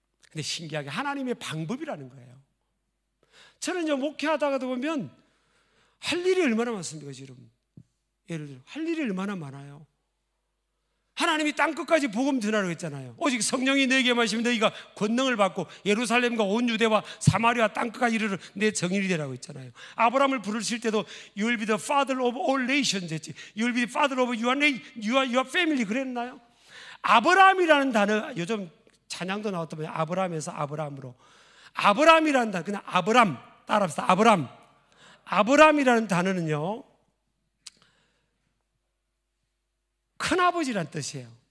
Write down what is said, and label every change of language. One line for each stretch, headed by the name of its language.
Korean: 근데 신기하게 하나님의 방법이라는 거예요. 저는요, 목회하다가도 보면 할 일이 얼마나 많습니까? 지금 예를 들어 할 일이 얼마나 많아요. 하나님이 땅끝까지 복음 전하라고 했잖아요. 오직 성령이 너에게 마시면 너희가 권능을 받고 예루살렘과 온 유대와 사마리아 땅끝까지 이르러 내 증인이 되라고 했잖아요. 아브라함을 부르실 때도
English: You will be the father of all nations
Korean: 했지.
English: You will be the father of your family
Korean: 그랬나요? 아브라함이라는 단어, 요즘 찬양도 나왔더만요. 아브라함에서 아브라함으로, 아브라함이라는 단어, 그냥 아브람 따라합시다. 아브람. 아브라함이라는 단어는요, 큰아버지란 뜻이에요.